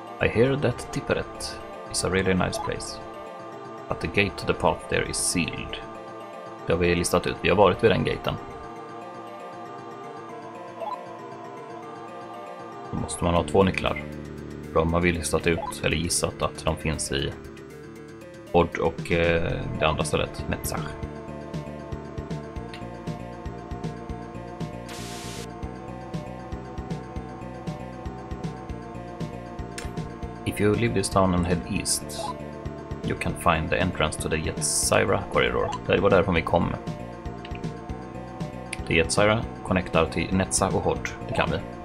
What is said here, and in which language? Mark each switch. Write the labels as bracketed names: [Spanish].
[English] I hear that Tipperet is a really nice place. But the gate to the path there is sealed. [Swedish] Det har vi listat ut. Vi har varit vid den gaten. Då måste man ha två nycklar. De har vi listat ut, eller gissat, att de finns i Odd och det andra stället, Metzach. [English] If you leave this town and head east, you can find the entrance to the Yetzirah corridor. [Swedish] Det var därifrån vi kom. The Yetzirah connectar till Netzach och Odd, det kan vi.